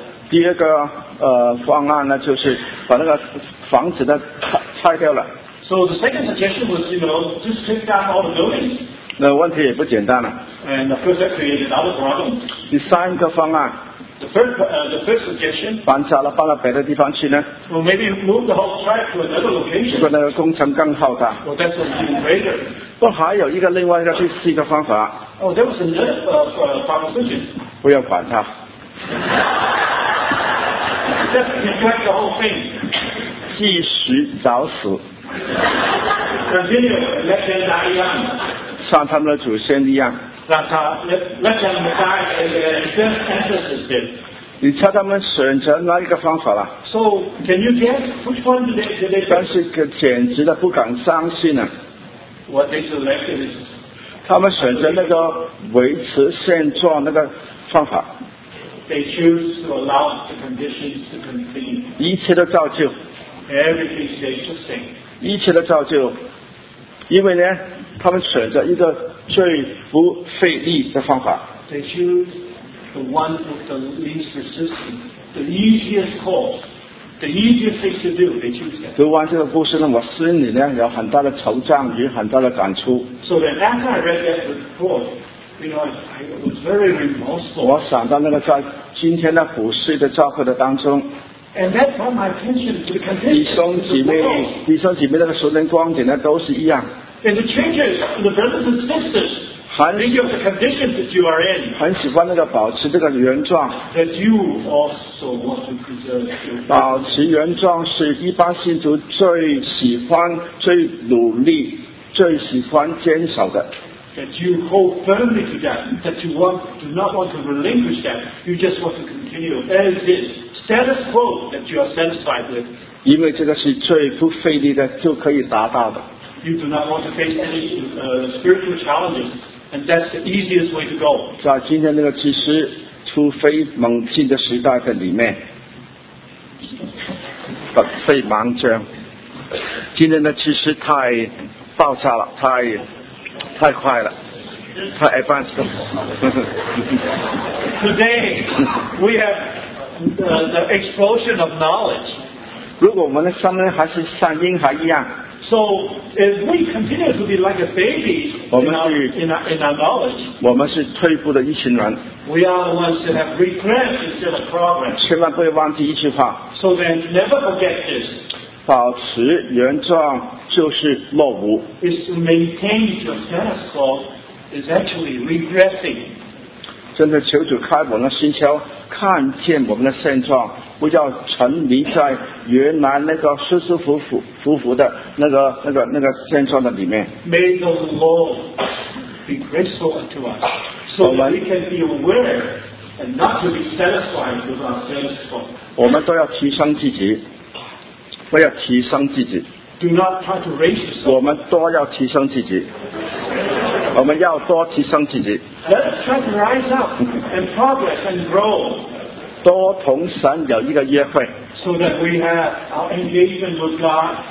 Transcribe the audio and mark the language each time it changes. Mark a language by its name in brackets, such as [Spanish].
[Chinese] 第二个方案呢，就是把那个房子的拆掉了。 [English] So the second suggestion was, you know, just take down all the buildings. [Chinese] 那问题也不简单了。 [English] And of course, that created other problems. [Chinese] 第三个方案。 [English] The first suggestion. [Chinese] 搬家了，搬到别的地方去呢。 [English] Well, maybe move the whole track to another location. [Chinese] 如果那个工程更浩大。 [English] Well, that's a bit greater. [Chinese] 不，还有一个另外一个第四个方法。 [English] Oh, there was another proposition. [Chinese] 不要管它。 [English] Just neglect the whole thing. [Chinese] 继续找死。 [English] Continue, let them die young. [Chinese] 像他们的祖先一样。 [English] Let them die as their ancestors did. [Chinese] 你猜他们选择哪一个方法了 [English] ？So can you guess which one did they choose? [Chinese] 但是简直的不敢相信啊！ [English] What they selected is [Chinese] 他们选择那个维持现状那个方法。 [English] They choose to allow the conditions to continue. [Chinese] 一切都照旧。 [English] Everything is existing. [Chinese] 一切都照旧，因为呢，他们选择一个最不费力的方法。 [English] They choose the one with the least resistance, the easiest course. The easiest thing to do, they choose that. [Chinese] 读完这个故事呢，我心里呢有很大的惆怅与很大的感触。 [English] So then after I read that report, you know, I was very remorseful. [Chinese] 我想到那个在今天的普世的教会的当中。 [English] And that brought my attention to the contention. [Chinese] 弟兄姐妹那个熟人光景呢都是一样。 [English] And the changes in the brothers and sisters. Think of the conditions that you are in. [Chinese] 很喜欢那个保持这个原状。 [English] That you also want to preserve. [Chinese] 保持原状是一般信徒最喜欢、最努力、最喜欢坚守的。 [English] That you hold firmly to that. That you do not want to relinquish that. You just want to continue as is. Status quo that you are satisfied with. [Chinese] 因为这个是最不费力的就可以达到的。 [English] You do not want to face any spiritual challenges. And that's the easiest way to go. [Chinese] 在今天那个其实突飞猛进的时代的里面，突飞猛进。今天的其实太爆炸了，太快了，太 advanced 了。 [English] Today we have the explosion of knowledge. [Chinese] 如果我们的生命还是像婴孩一样。 [English] So if we continue to be like a baby in our knowledge, [Chinese] 我们是退步的一群人。 [English] We are the ones that have regressed instead of progress. [Chinese] 千万不要忘记一句话。 [English] So then, never forget this. [Chinese] 保持原状就是落伍。 [English] Is to maintain your status quo is actually regressing. [Chinese] 真的求主开我们的心窍，看见我们的现状。不要沉迷在原来那个舒舒服服服服的那个现状的里面。 [English] May the Lord be graceful unto us, so that we can be aware and not to be satisfied with ourselves. [Chinese] 我们都要提升自己，不要提升自己。 [English] Do not try to raise yourself. [Chinese] 我们多要提升自己，我们要多提升自己。 [English] Let us try to rise up and progress and grow. [Chinese] 多同神有一个约会。 [English] So that we have our engagement with God.